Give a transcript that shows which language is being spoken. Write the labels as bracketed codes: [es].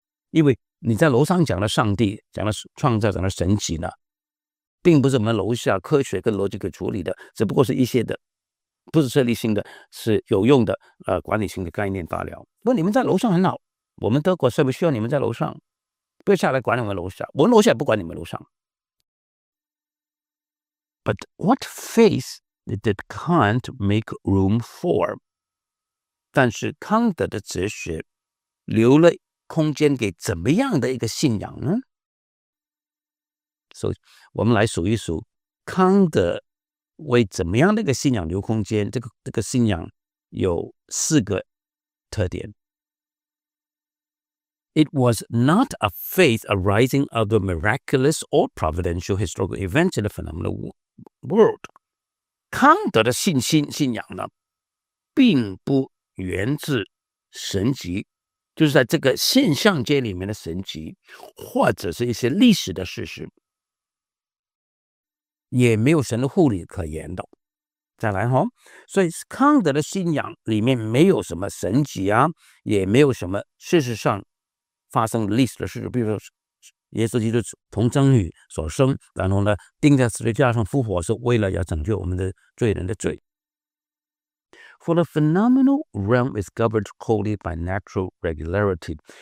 [zh] 因为你在楼上讲的上帝，讲的创造，讲的神奇呢，并不是我们楼下科学跟逻辑给处理的，只不过是一些的不是设立性的，是有用的管理性的概念罢了。不过你们在楼上很好，我们德国是不需要你们在楼上，不要下来管你们楼下，我们楼下也不管你们楼上。 [en] But what faith did Kant make room for？ [zh] 但是康德的哲学留了空间给怎么样的一个信仰呢？所以我们来数一数康德为怎么样的一个信仰留空间，这个信仰有四个特点。 [en] It was not a faith arising out of miraculous or providential historical events in the phenomenal world. [zh] 康德的信仰呢，并不源自神迹，就是在这个现象界里面的神迹，或者是一些历史的事实，也没有神的护理可言的。再来哈，所以康德的信仰里面没有什么神迹啊，也没有什么事实上发生历史的事实，比如说耶稣基督从贞女所生，然后呢钉在十字架上复活，是为了要拯救我们的罪人的罪。 [en] For the phenomenal realm is governed wholly by natural regularity.